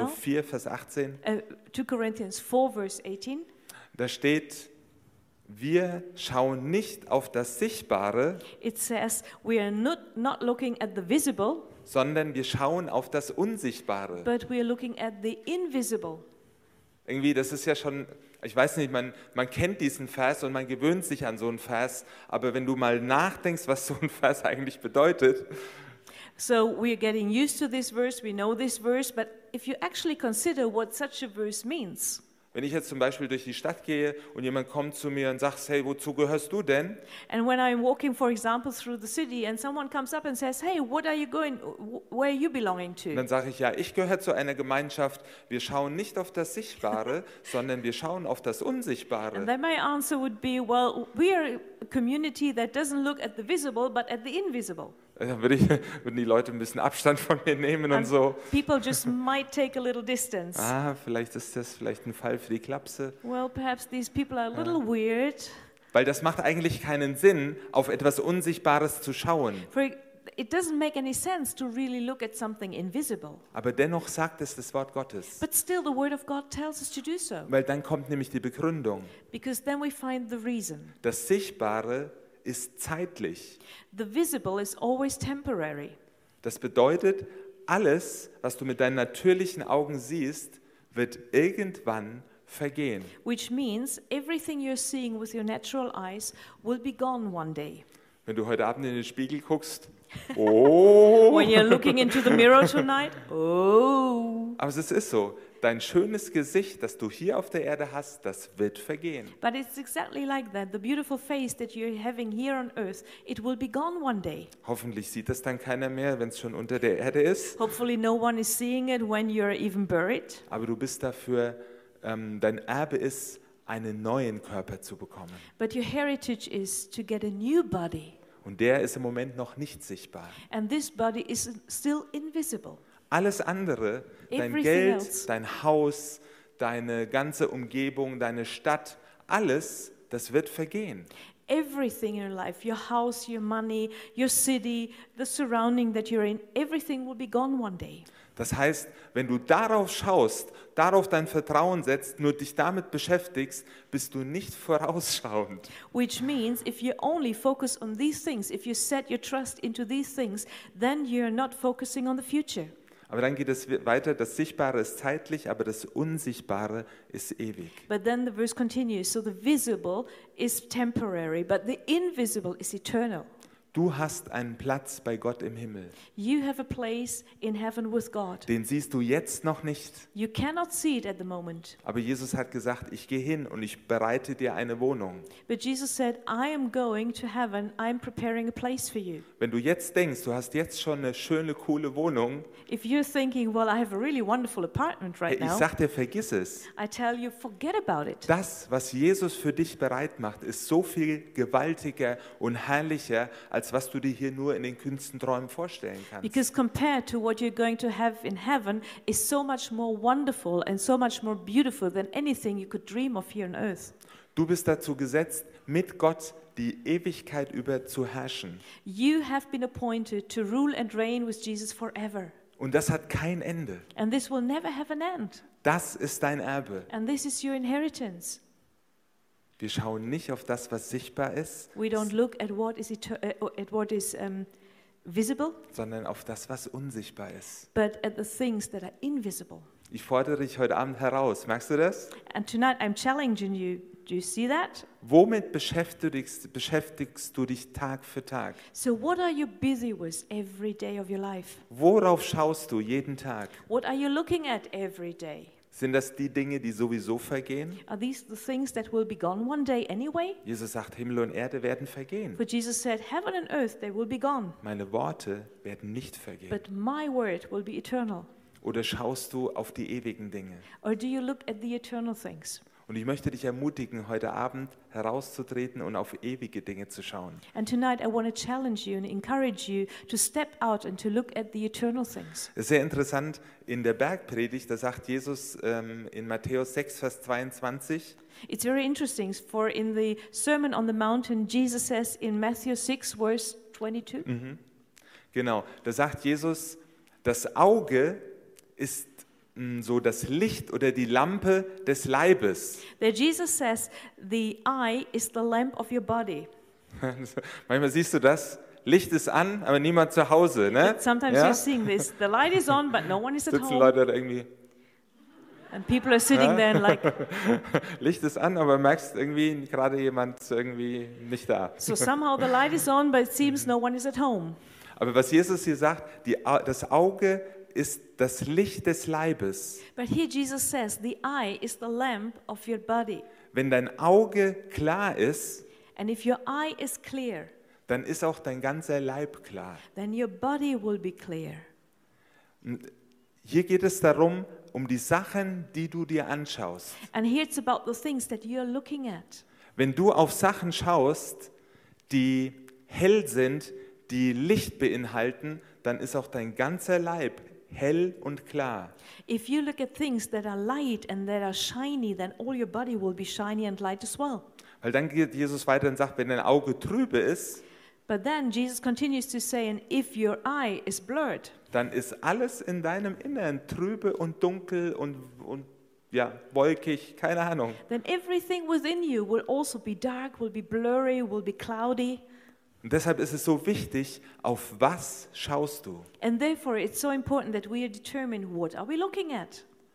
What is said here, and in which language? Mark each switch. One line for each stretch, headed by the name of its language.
German: So 4, Vers 18.
English: 2 Corinthians 4, Vers 18.
German: Da steht, wir schauen nicht auf das Sichtbare.
English: It says, we are not looking at the visible.
German: Sondern wir schauen auf das Unsichtbare.
English: But we are looking at the invisible.
German: Irgendwie, das ist ja schon... Ich weiß nicht, man kennt diesen Vers und man gewöhnt sich an so einen Vers, aber wenn du mal nachdenkst, was so ein Vers eigentlich bedeutet.
English: So we're getting used to this verse, we know this verse, but if you actually consider what such a verse means.
German: Wenn ich jetzt zum Beispiel durch die Stadt gehe und jemand kommt zu mir und sagt, hey, wozu gehörst du denn?
English: And when I'm walking, for example, through the city and someone comes up and says, hey, what are you going, where are you belonging to?
German: Und dann sage ich, ja, ich gehöre zu einer Gemeinschaft. Wir schauen nicht auf das Sichtbare, sondern wir schauen auf das Unsichtbare.
English: And then my answer would be, well, we are a community that doesn't look at the visible, but at the invisible.
German: Dann würden die Leute ein bisschen Abstand von mir nehmen und so.
English: People just might take a little distance.
German: Ah, vielleicht ist das vielleicht ein Fall für die Klapse.
English: Well, perhaps these people are a little weird.
German: Weil das macht eigentlich keinen Sinn, auf etwas Unsichtbares zu schauen.
English: It doesn't make any sense to really look at something invisible.
German: Aber dennoch sagt es das Wort Gottes.
English: But still the word of God tells us to do so.
German: Weil dann kommt nämlich die Begründung.
English: Because then we find the reason.
German: Das Sichtbare ist zeitlich.
English: The visible is always temporary.
German: Das bedeutet, alles, was du mit deinen natürlichen Augen siehst, wird irgendwann vergehen.
English: Which means everything you're seeing with your natural eyes will be gone one day.
German: Wenn du heute Abend in den Spiegel guckst, oh!
English: When you're looking into the mirror tonight, oh!
German: Aber es ist so. Dein schönes Gesicht, das du hier auf der Erde hast, das wird vergehen.
English: But it's exactly like that. The beautiful face that you're having here on earth, it will be gone one day.
German: Hoffentlich sieht das dann keiner mehr, wenn es schon unter der Erde ist.
English: Hopefully no one is seeing it when you're even buried.
German: Aber du bist dafür, dein Erbe ist, einen neuen Körper zu bekommen.
English: But your heritage is to get a new body.
German: Und der ist im Moment noch nicht sichtbar.
English: And this body is still invisible.
German: Alles andere, dein Geld, dein Haus, deine ganze Umgebung, deine Stadt, alles, das wird vergehen.
English: Everything in your life, your house, your money, your city, the surrounding that you're in, everything will be gone one day.
German: Das heißt, wenn du darauf schaust, darauf dein Vertrauen setzt, nur dich damit beschäftigst, bist du nicht vorausschauend.
English: Which means, if you only focus on these things, if you set your trust into these things, then you're not focusing on the future.
German: Aber dann geht es weiter, das Sichtbare ist zeitlich, aber das Unsichtbare ist ewig.
English: But then the verse continues, so the visible is temporary, but the invisible is eternal.
German: Du hast einen Platz bei Gott im Himmel.
English: You have a place in heaven with God.
German: Den siehst du jetzt noch nicht.
English: You cannot see it at the moment.
German: Aber Jesus hat gesagt, ich gehe hin und ich bereite dir eine Wohnung.
English: But Jesus said, I am going to heaven. I'm preparing a place for you.
German: Wenn du jetzt denkst, du hast jetzt schon eine schöne, coole Wohnung.
English: If you're thinking, well, I have a really wonderful apartment right now.
German: Ich sag dir, vergiss es.
English: I tell you, forget about it.
German: Das, was Jesus für dich bereit macht, ist so viel gewaltiger und herrlicher als was du dir hier nur in den kühnsten Träumen vorstellen kannst.
English: Because compared to what you're going to have in heaven is so much more wonderful and so much more beautiful than anything you could dream of here on earth.
German: Du bist dazu gesetzt, mit Gott die Ewigkeit über zu herrschen.
English: You have been appointed to rule and reign with Jesus forever.
German: Und das hat kein Ende.
English: And this will never have an end.
German: Das ist dein Erbe.
English: And this is your inheritance.
German: Wir schauen nicht auf das, was sichtbar ist.
English: We don't look at what is visible,
German: sondern auf das, was unsichtbar ist.
English: But at the things that are invisible.
German: Ich fordere dich heute Abend heraus. Merkst du das?
English: And tonight I'm challenging you. Do you see that?
German: Womit beschäftigst du dich Tag für Tag?
English: So what are you busy with every day of your life?
German: Worauf schaust du jeden Tag?
English: What are you looking at every day?
German: Sind das die Dinge, die sowieso vergehen?
English: Are these the things that will be gone one day anyway?
German: Jesus sagt, Himmel und Erde werden vergehen.
English: But Jesus said, heaven and earth, they will be gone.
German: Meine Worte werden nicht vergehen.
English: But my word will be eternal.
German: Oder schaust du auf die ewigen Dinge?
English: Or do you look at the eternal things?
German: Und ich möchte dich ermutigen, heute Abend herauszutreten und auf ewige Dinge zu schauen.
English: And tonight I want to challenge you and encourage you to step out and to look at the eternal things.
German: Es ist sehr interessant, in der Bergpredigt, da sagt Jesus in Matthäus 6, Vers 22.
English: It's very interesting, for in the Sermon on the Mountain, Jesus says in Matthew 6, Vers 22. Mm-hmm.
German: Genau, da sagt Jesus, das Auge ist so das Licht oder die Lampe des Leibes.
English: There Jesus says, the eye is the lamp of your body.
German: Manchmal siehst du das, Licht ist an, aber niemand zu Hause, ne?
English: But sometimes you're seeing this, the light is on, but no one is at home.
German: Sitzen Leute da irgendwie.
English: And people are sitting there and like.
German: Licht ist an, aber merkst irgendwie gerade jemand irgendwie nicht da.
English: So somehow the light is on, but it seems no one is at home.
German: Aber was Jesus hier sagt, das Auge ist das Licht des Leibes.
English: But here Jesus says, the eye is the lamp of your body.
German: Wenn dein Auge klar ist,
English: and if your eye is clear,
German: dann ist auch dein ganzer Leib klar.
English: Then your body will be clear.
German: Hier geht es darum, um die Sachen, die du dir anschaust.
English: And here it's about the things that you're looking at.
German: Wenn du auf Sachen schaust, die hell sind, die Licht beinhalten, dann ist auch dein ganzer Leib hell und klar.
English: If you look at things that are light and that are shiny, then all your body will be shiny and light as well.
German: Weil dann geht Jesus weiter und sagt, wenn dein Auge trübe ist,
English: but then Jesus continues to say, and if your eye is blurred,
German: dann ist alles in deinem Inneren trübe und dunkel und ja, wolkig, keine Ahnung.
English: Then everything within you will also be dark, will be blurry, will be cloudy.
German: Und deshalb ist es so wichtig, auf was schaust du?
English: And therefore it's so important that we determine what are we looking at?